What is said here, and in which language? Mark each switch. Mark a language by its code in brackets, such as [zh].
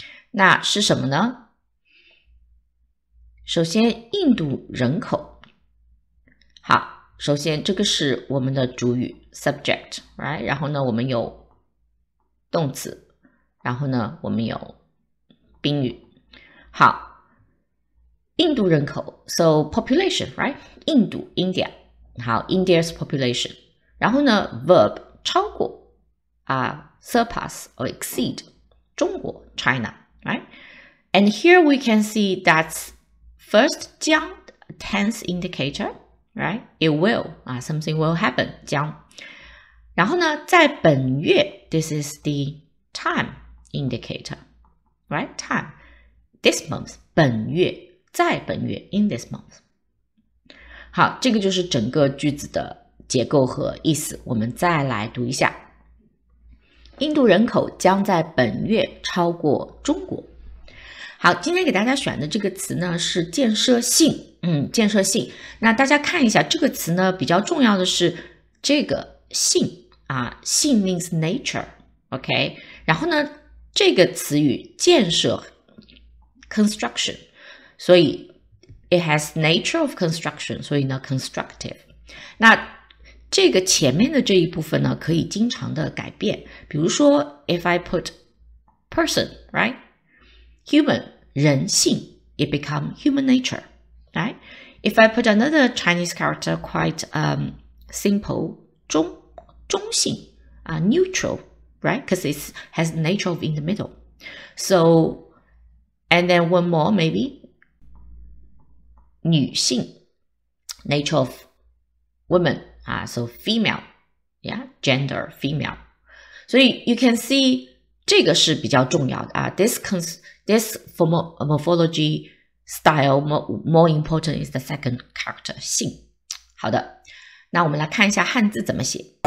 [zh] 那是什么呢？首先，印度人口。好，首先这个是我们的主语 subject, right? 然后呢，我们有动词，然后呢，我们有宾语。好，印度人口 ， so population, right? 印度 India。 [en] 好 India's population 然后呢 verb 超过啊 surpass or exceed 中国 China right and here we can see that's first 将 tense indicator right it will something will happen 将 [zh] 然后呢在本月 this is the time indicator right time this month 本月在本月 in this month 好，这个就是整个句子的结构和意思。我们再来读一下。印度人口将在本月超过中国。好，今天给大家选的这个词呢，是建设性。建设性。那大家看一下，这个词呢，比较重要的是这个性。啊，性 means nature。 [en] OK? [zh] 然后呢，这个词语建设 construction。 [en] 所以It has nature of construction, 所以呢 constructive. [zh] 那这个前面的这一部分呢可以经常的改变。 [en] 比如说 if I put person, right? Human, 人性 it becomes human nature, right? If I put another Chinese character quite simple, 中性, neutral, right? Because it has nature of in the middle. So, and then one more maybe,女性 ,nature of women, so female, yeah, gender, female. 所以 you can see, 这个是比较重要的啊 this morphology style, more important is the second character, 性。 [zh] 好的。那我们来看一下汉字怎么写。